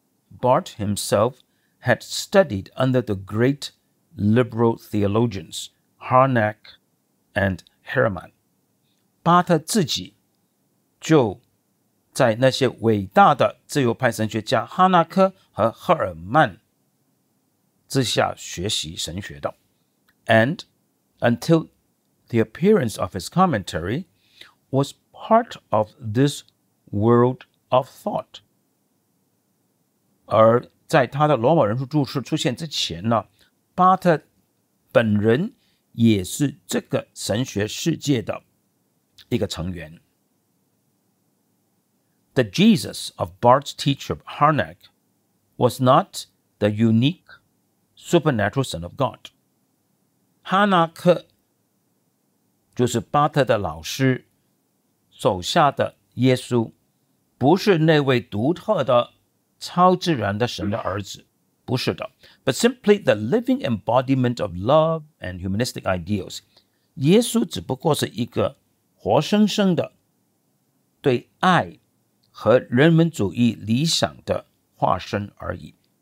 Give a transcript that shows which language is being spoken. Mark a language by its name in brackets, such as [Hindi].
[English] Barth himself had studied under the great liberal theologians Harnack and Hermann. [Chinese] 巴特自己就在那些伟大的自由派神学家哈纳克和赫尔曼之下学习神学道。 [English] And until the appearance of his commentary was part of this world of thought. [Chinese] 而在他的罗马人书注释出现之前呢，巴特本人也是这个神学世界的一个成员。 [English] The Jesus of Barth's teacher Harnack was not the unique supernatural son of God. [Chinese] 哈纳克就是巴特的老师手下的耶稣，不是那位独特的超自然的神的儿子，不是的。 [English] But simply the living embodiment of love and humanistic ideals. [Chinese] 耶稣只不过是一个活生生的对爱和人文主义理想的化身而已。